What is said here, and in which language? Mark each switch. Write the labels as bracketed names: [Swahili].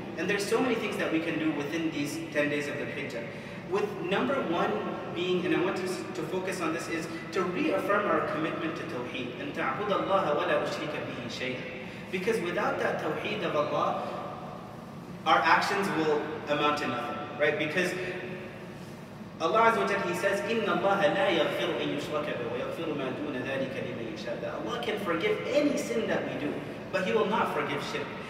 [English] And there's so many things that we can do within these 10 days of the Dhul-Hijjah. With number one being, and I want to focus on this, is to reaffirm our commitment to Tawheed and [Arabic] ta'bud Allah wa la ushrika bihi shay'an. [English] Because without that Tawheed of Allah, our actions will amount to nothing, right? Because Allah Azza wa Jalla, He says, [Arabic] إِنَّ اللَّهَ لَا يَغْفِرُ أَن يُشْرَكَ بِهِ وَيَغْفِرُ مَا دُونَ ذَلِكَ لِمَن يَشَاءُ. [English] That Allah can forgive any sin that we do, but He will not forgive shirk.